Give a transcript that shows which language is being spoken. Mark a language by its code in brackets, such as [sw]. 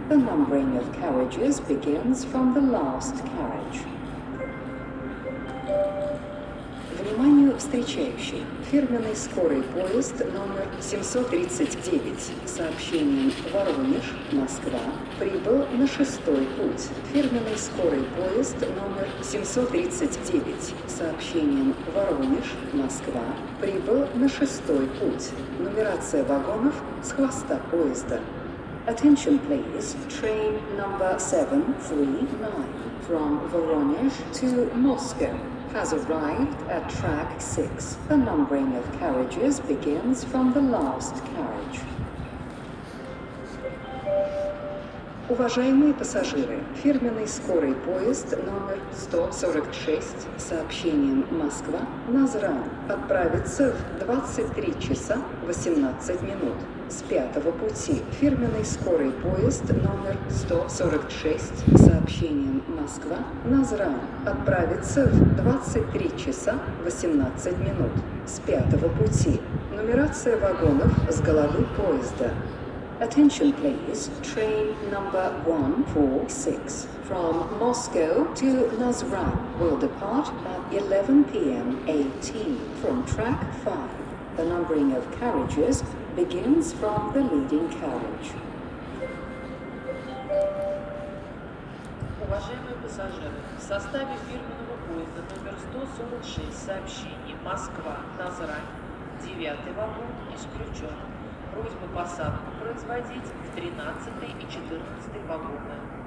[en] The numbering of carriages begins from the last carriage. [ru] Внимание, встречающие! Фирменный скорый поезд номер 739 с сообщением Воронеж, Москва, прибыл на шестой путь. Фирменный скорый поезд номер 739 с сообщением Воронеж, Москва, прибыл на шестой путь. Нумерация вагонов с хвоста поезда. [en] Attention please, train number 739 from Воронеж to Moscow has arrived at track 6. The numbering of carriages begins from the last carriage. [ru] Уважаемые пассажиры, фирменный скорый поезд номер 146 с сообщением Москва-Назран отправится в 23 часа 18 минут. С пятого пути фирменный скорый поезд номер 146 с сообщением Москва-Назран отправится в 23 часа 18 минут. С пятого пути нумерация вагонов с головы поезда. [en] Attention please, train number 146 from Moscow to Nazran will depart at 11 p.m. 18 from track 5. The numbering of carriages begins from the leading carriage. [ru] Уважаемые пассажиры, пассажиров в составе фирменного поезда номер 146 сообщение Москва-Назрань, 9 вагон исключен. Просьба посадку производить в 13 и 14 вагоны.